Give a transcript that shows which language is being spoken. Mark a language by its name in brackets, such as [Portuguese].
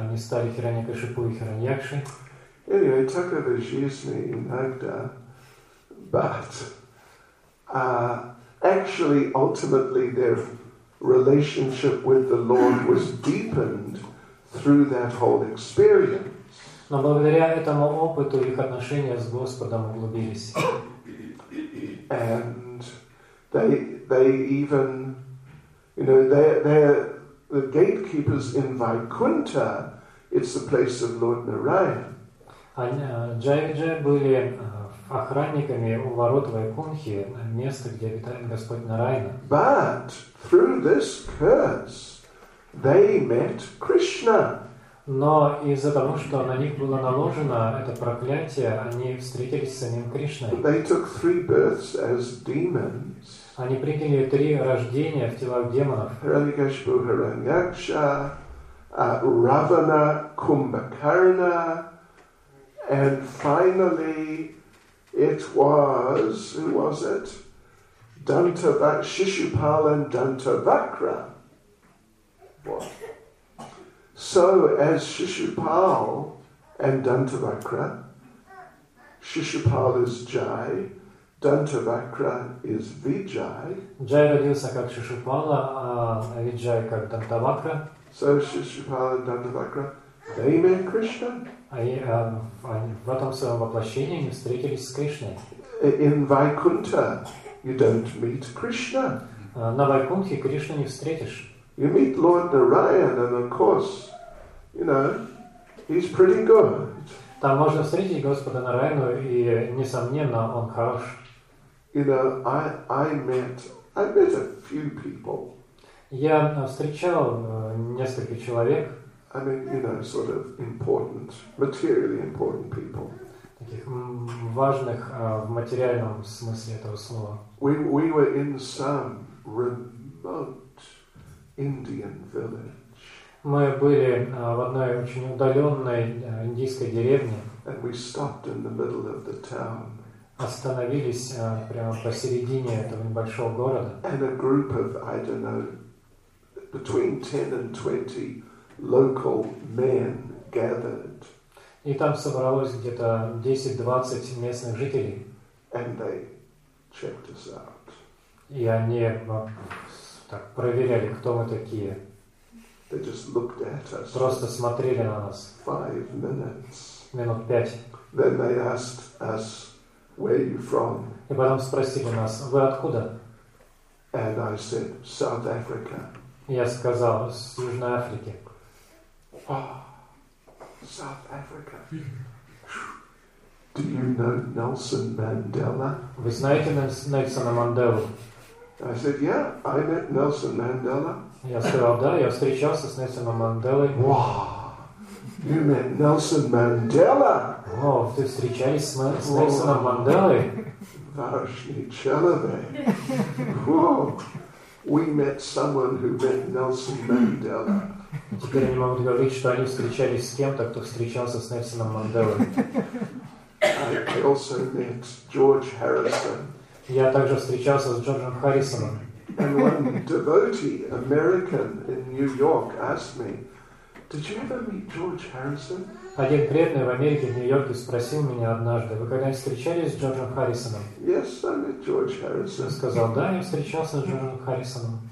[Russian] Они стали Хираньякашипу и Хираньякшей. [English] Anyway, Taka Vajisni Nagda, but actually, ultimately, their relationship with the Lord was deepened through that whole experience. [Russian] Но благодаря этому опыту их отношения с Господом углубились. [English] And they even, you know, they're the gatekeepers in Vaikuntha. It's the place of Lord Narayana. [Russian] Джай-Виджай были охранниками у ворот Вайкунхи, место, где обитает Господь Нарайна. [English] But through this curse, they met Krishna. [Russian] Но из-за того, что на них было наложено это проклятие, они встретились с самим Кришной. [English] They took three births as demons. [Russian] Они приняли три рождения в телах демонов. [English] Hiranyakashipu, Hiranyaksha, Ravana, Kumbhakarna, and finally, it was, who was it? Shishupal and Dantavakra. What? So as Shishupal and Dantavakra, Shishupal is Jai, Dantavakra is Vijay. [Russian] Jai родился как Шишупала, а Виджай как Дантавакра. [English] So Shishupal and Dantavakra, they met Krishna. [Russian] Они в этом своем воплощении они встретились с Кришной. [English] In Vaikuntha, you don't meet Krishna. [Russian] На Вайкунтхе Кришну не встретишь. [English] You meet Lord Narayan, and of course, you know, he's pretty good. [Russian] Там можно встретить Господа Нараяну, и несомненно, он хорош. [English] You know, I met a few people. [Russian] Я встречал несколько человек. [English] I mean, you know, sort of important, materially important people. [Russian] Таких важных в материальном смысле этого слова. [English] We were in some remote Indian village. [Russian] Мы были в одной очень удаленной индийской деревне. [English] And we stopped in the middle of the town. [Russian] Остановились прямо посередине этого небольшого города. [English] And a group of, I don't know, between 10 and 20 local men gathered. [Russian] И там собралось где-то 10-20 местных жителей. [English] And they checked us out. [Russian] И они так проверяли, кто мы такие. [English] They just looked at us. [Russian] Просто смотрели на нас. [English] 5 minutes. [Russian] Минут пять. [English] Then they asked us, "Where are you from?" [Russian] И потом спросили нас, вы откуда? [English] And I said, "South Africa." [Russian] Я сказал, с Южной Африки. [English] South Africa. Do you know Nelson Mandela? [Russian] Вы знаете Нельсона Манделу? [English] I said, yeah, I met Nelson Mandela. [Russian] Я сказал, да, я встречался с Нельсоном Манделой. [English] Wow. You met Nelson Mandela. [Russian] О, ты встречались с Нельсоном Манделой? [English] Варшни Челове. We met someone who met Nelson Mandela. [Russian] Теперь они могут говорить, что они встречались с кем-то, кто встречался с Нельсоном Манделой. [English] also met George Harrison. [Russian] Я также встречался с Джорджем Харрисоном. [English] And one devotee, American in New York, asked me, "Did you ever meet George Harrison?" [Russian] Один преданный в Америке, в Нью-Йорке, спросил меня однажды: "Вы когда-нибудь встречались с Джорджем Харрисоном?" [English] "Yes, I met George Harrison." [Russian] Я сказал: "Да, я встречался с Джорджем Харрисоном."